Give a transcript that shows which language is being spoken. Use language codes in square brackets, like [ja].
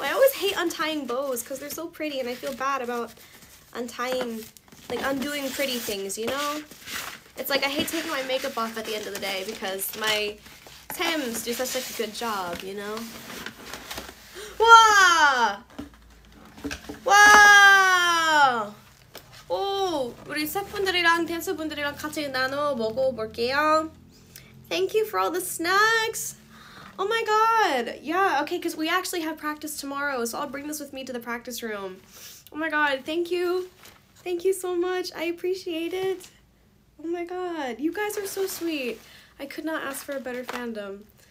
[en] I always hate untying bows because they're so pretty and I feel bad about undoing pretty things, you know? It's like I hate taking my makeup off at the end of the day because my... Tim's do such a good job, you know? Wow! [ko] Wow! Oh, 우리 셰프분들이랑 댄서분들이랑 같이 나눠 먹어볼게요. [en] Thank you for all the snacks. Oh my god. Yeah, okay, because we actually have practice tomorrow, so I'll bring this with me to the practice room. Oh my god, thank you. Thank you so much. I appreciate it. Oh my god, you guys are so sweet. I could not ask for a better fandom.